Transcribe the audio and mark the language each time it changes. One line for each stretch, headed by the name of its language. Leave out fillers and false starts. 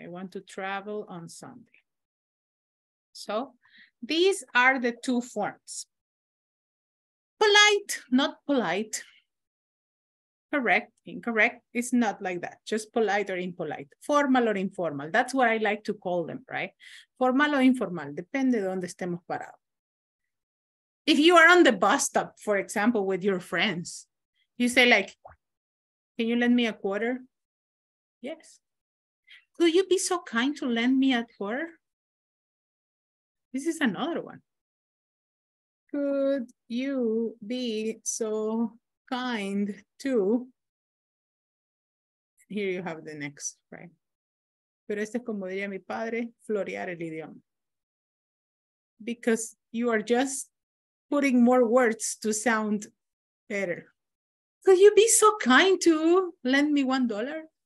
English: I want to travel on Sunday. So these are the two forms. Polite, not polite. Correct, incorrect, it's not like that. Just polite or impolite, formal or informal. That's what I like to call them, right? Formal or informal,
Spanish: depende de donde estemos parados.
English: If you are on the bus stop, for example, with your friends, you say like, can you lend me a quarter? Yes. Could you be so kind to lend me a quarter? This is another one. Could you be so kind to, here you have the next, right?
Spanish: Pero este es como diría mi padre, florear el idioma.
English: Because you are just putting more words to sound better. Could you be so kind to lend me $1?